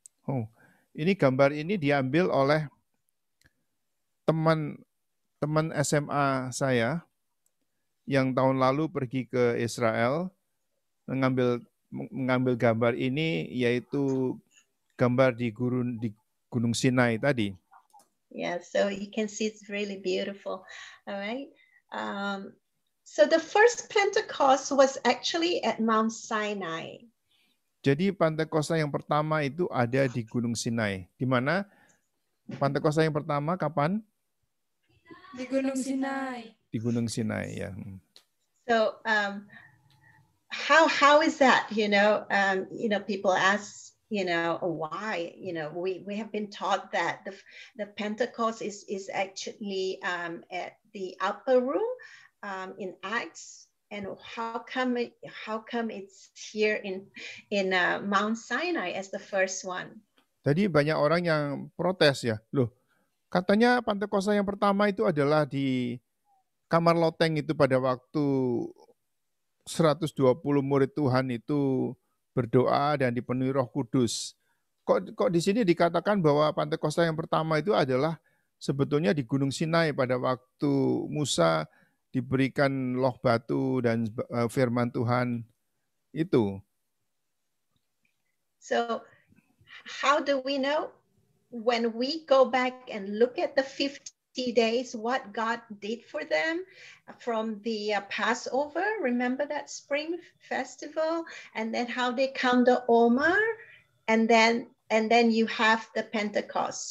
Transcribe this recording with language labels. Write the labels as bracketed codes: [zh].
[id] Oh, ini gambar ini diambil oleh teman SMA saya yang tahun lalu pergi ke Israel mengambil gambar ini, yaitu gambar di Gunung Sinai tadi. [en] Yeah, so you can see it's really beautiful. All right. So the first Pentecost was actually at Mount Sinai. [id] Jadi Pentekosta yang pertama itu ada di Gunung Sinai. Di mana Pentekosta yang pertama kapan? Di Gunung Sinai. Di Gunung Sinai, ya. [en] So how is that, people ask, why, we have been taught that the Pentecost is actually at the upper room in Acts. And how come it's here in Mount Sinai as the first one? [id] Tadi banyak orang yang protes, ya. Loh, katanya Pentekosta yang pertama itu adalah di kamar loteng itu pada waktu 120 murid Tuhan itu berdoa dan dipenuhi Roh Kudus. Kok di sini dikatakan bahwa Pentekosta yang pertama itu adalah sebetulnya di Gunung Sinai pada waktu Musa diberikan loh batu dan firman Tuhan itu. [en] So, how do we know when we go back and look at the 50 days what God did for them from the Passover? Remember that spring festival, and then how they count the Omer, and then you have the Pentecost.